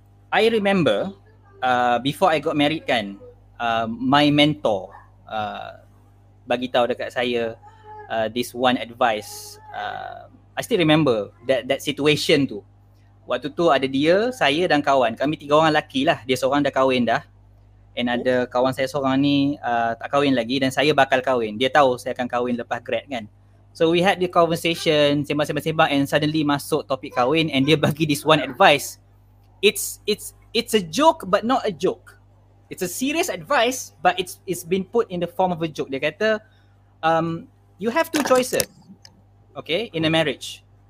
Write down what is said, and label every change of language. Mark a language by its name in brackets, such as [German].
[English] I remember before I got married kan, my mentor [Malay] bagi tahu dekat saya [English] this one advice. I still remember that situation tu. [Malay] Waktu tu ada dia, saya dan kawan. Kami tiga orang lelaki lah. Dia seorang dah kahwin dah. [English] And [Malay] ada kawan saya seorang ni tak kahwin lagi dan saya bakal kahwin. Dia tahu saya akan kahwin lepas grad kan. [English] So we had the conversation, [Malay] sembang-sembang [English] and suddenly [Malay] masuk topik kahwin [English] and [Malay] dia bagi [English] this one advice. It's a joke but not a joke. It's a serious advice but it's been put in the form of a joke. [Malay] Dia kata, [English] you have two choices, okay, in a marriage.